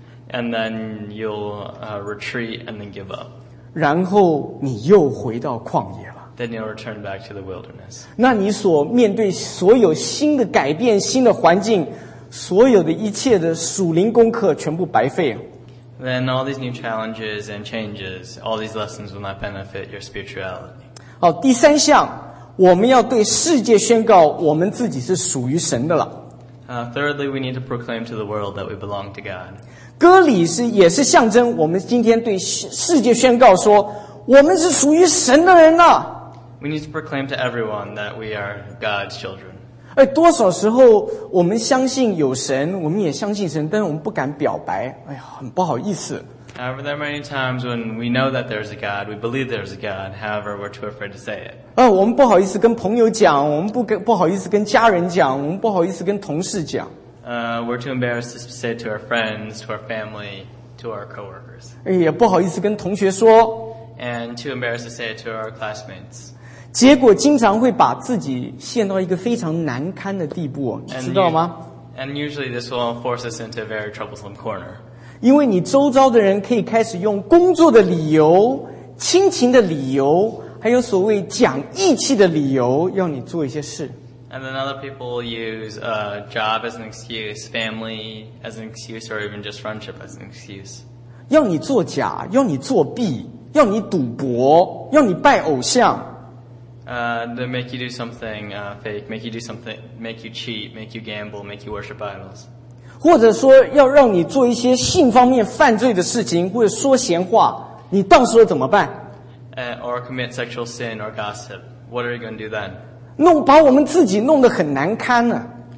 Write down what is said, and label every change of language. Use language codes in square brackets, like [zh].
[en] And then you'll retreat and then give up. [zh] 然后你又回到旷野了。 [en] Then you'll return back to the wilderness. [zh] 那你所面对所有新的改变、新的环境，所有的一切的属灵功课全部白费了。 [en] Then all these new challenges and changes, all these lessons will not benefit your spirituality. [zh] 好，第三项，我们要对世界宣告我们自己是属于神的了。 [en] Thirdly, we need to proclaim to the world that we belong to God. [zh] 割礼是也是象征我们今天对世界宣告说我们是属于神的人了。 [en] We need to proclaim to everyone that we are God's children. [zh] 多少时候我们相信有神，我们也相信神，但是我们不敢表白，哎呀，很不好意思。 [en] However, there are many times when we know that there's a God, we believe there's a God, however, we're too afraid to say it. [zh] 我们不好意思跟朋友讲，我们不好意思跟家人讲，我们不好意思跟同事讲。 [en] We're too embarrassed to say to our friends, to our family, to our coworkers. [zh] 也不好意思跟同学说。 [en] And too embarrassed to say it to our classmates. [zh] 结果经常会把自己陷到一个非常难堪的地步，你知道吗？ [en] And usually this will force us into a very troublesome corner. [zh] 因为你周遭的人可以开始用工作的理由、亲情的理由，还有所谓讲义气的理由，要你做一些事。 [en] And then other people use a job as an excuse, family as an excuse, or even just friendship as an excuse. [zh] 要你作假，要你作弊，要你赌博，要你拜偶像。 [en] that make you do something fake, make you do something, make you cheat, make you gamble, make you worship idols. [zh] 或者说要让你做一些性方面犯罪的事情，或者说闲话，你到时候怎么办？ [en] Or commit sexual sin or gossip. What are you going to do then? [zh] 弄把我们自己弄得很难堪啊。